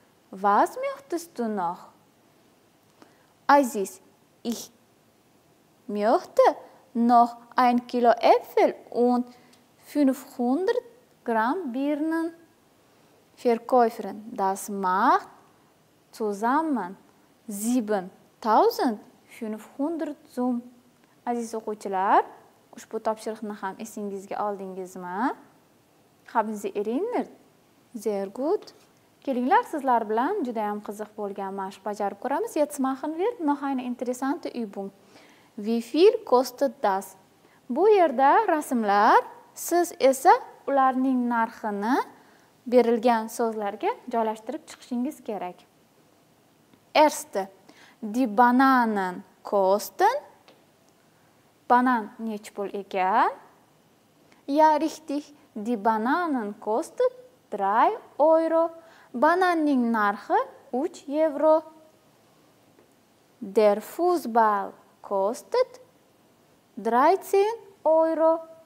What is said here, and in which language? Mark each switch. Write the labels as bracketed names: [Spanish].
[German] Was möchtest du noch? Aziz, ich möchte noch 1 Kilo Äpfel und 500 Gramm Birnen. Verkäuferin, das macht zusammen 7500 Sum. [Uzbek] Aziz o'quvchilar, ushbu topshiriqni ham esingizga oldingizmi? [German] Haben Sie erinnert? Sehr gut. [Uzbek] Kelinglar, sizlar bilan juda ham qiziq bo'lgan mashq bajarib ko'ramiz. [German] Jetzt machen wir noch eine interessante Übung. Wie viel kostet das? [Uzbek] Bu yerda rasmlar, siz esa ularning narxini berilgan so'zlarga joylashtirib chiqishingiz kerak. [German] Erste, die Bananen kosten. [Uzbek] Banan nech pul ekan? [German] Ja, richtig, die Bananen kostet 3 Euro. [Uzbek] Bananning narxi 3 Euro. [German] Der Fußball kostet 13 Euro.